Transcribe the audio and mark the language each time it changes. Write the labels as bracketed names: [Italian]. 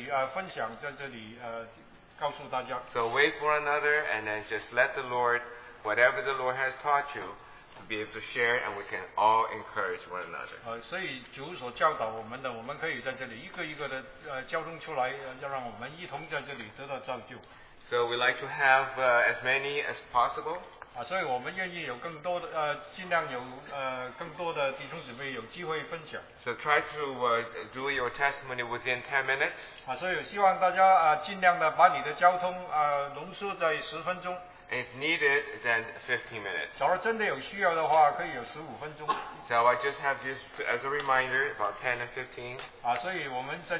[Chinese] 所以在生命中主在我们的生命中所做的一切，我们都可以在这里分享，在这里告诉大家。 [English] So wait for another, and then just let the Lord, whatever the Lord has taught you, be able to share, and we can all encourage one another. [Chinese] 所以主所教导我们的，我们可以在这里一个一个的交通出来，要让我们一同在这里得到造就。 [English] So we like to have as many as possible. [Chinese] 所以我们愿意有更多的弟兄姊妹有机会分享。 [English] So try to do your testimony within 10 minutes. [Chinese] 所以希望大家尽量的把你的交通浓缩在10分钟。 [English] And if needed, then 15 minutes. [Chinese] 假如真的有需要的话，可以有15分钟。 [English] So I just have this as a reminder, about 10 and 15.